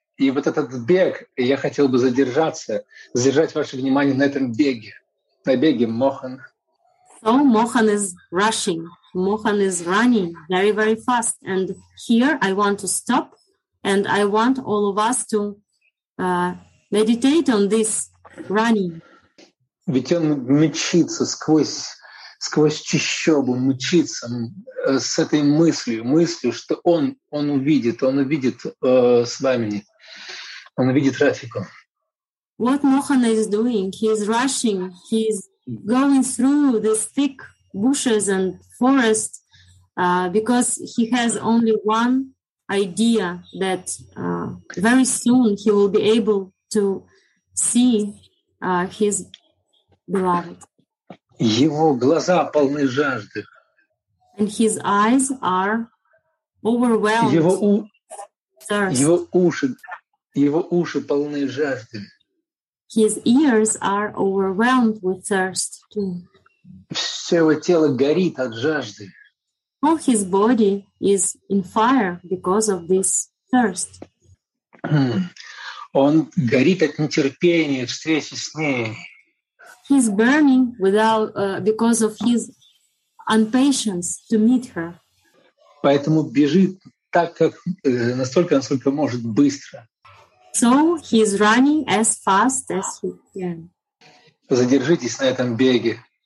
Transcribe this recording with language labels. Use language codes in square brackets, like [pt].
[ru] И вот этот бег, я хотел бы задержать ваше внимание на этом беге, на беге Mohan. [en] So Mohan is rushing. Mohan is running very, very fast. And here I want to stop, and I want all of us to meditate on this running. [ru] Ведь он мчится сквозь чищобу, мчится с этой мыслью, что он увидит с вами. Он видит Радхику. [en] What Mohan is doing? He is rushing. He is going through these thick bushes and forest because he has only one idea that very soon he will be able to see his beloved. [ru] Его глаза полны жажды. [en] And his eyes are overwhelmed. [ru] Его уши полны жажды. [en] His ears are overwhelmed with thirst too. [ru] Все его тело горит от жажды. [en] All his body is in fire because of this thirst. [ru] Он горит от нетерпения встречи с ней. [en] He's burning without because of his impatience to meet her. [ru] Поэтому бежит так, как настолько может быстро. [en] So he's running as fast as he can. [ru] Задержитесь на этом беге.